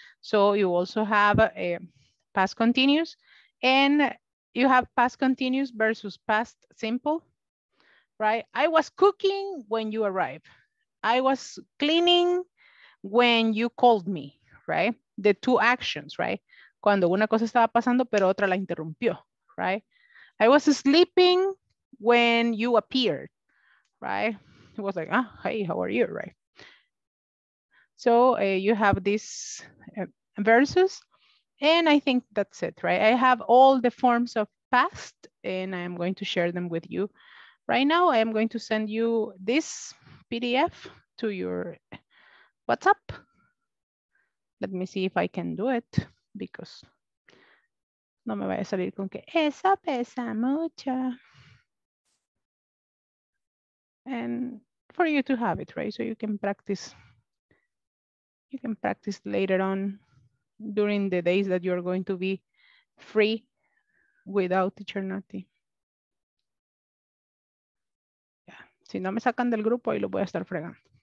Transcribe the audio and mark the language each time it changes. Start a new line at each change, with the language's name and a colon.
English: So you also have a past continuous, and you have past continuous versus past simple, right? I was cooking when you arrived. I was cleaning when you called me, right? The two actions, right?
Spanish: cuando una cosa estaba pasando, pero otra la interrumpió, right?
English: I was sleeping when you appeared, right? It was like, ah, hey, how are you, right? So you have these verses, and I think that's it, right? I have all the forms of past, and I'm going to share them with you. Right now, I am going to send you this PDF to your WhatsApp. Let me see if I can do it, because
Spanish: no me vaya a salir con que eso pesa mucho.
English: And for you to have it, right? So you can practice. You can practice later on during the days that you're going to be free without teacher Nati. Yeah.
Spanish: Si no me sacan del grupo, ahí lo voy a estar fregando.